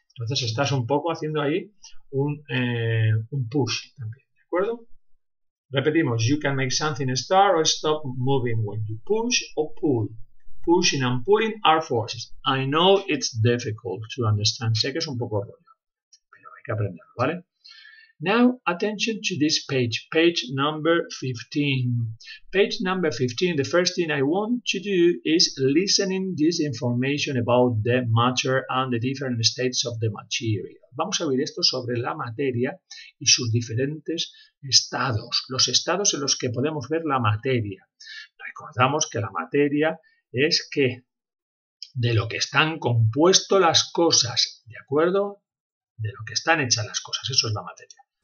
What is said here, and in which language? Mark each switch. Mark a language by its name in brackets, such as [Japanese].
[Spanish] Entonces estás un poco haciendo ahí un push también, ¿de acuerdo? [English] Repetimos, you can make something start or stop moving when you push or pull. Pushing and pulling are forces. I know it's difficult to understand. [Spanish] Sé que es un poco rollo, pero hay que aprenderlo, ¿vale? [English] Now, attention to this page, page number 15. Page number 15, the first thing I want to do is listening this information about the matter and the different states of the material. [Spanish] Vamos a ver esto sobre la materia y sus diferentes estados, los estados en los que podemos ver la materia. Recordamos que la materia es que de lo que están compuestas las cosas, ¿de acuerdo? De lo que están hechas las cosas, eso es la materia.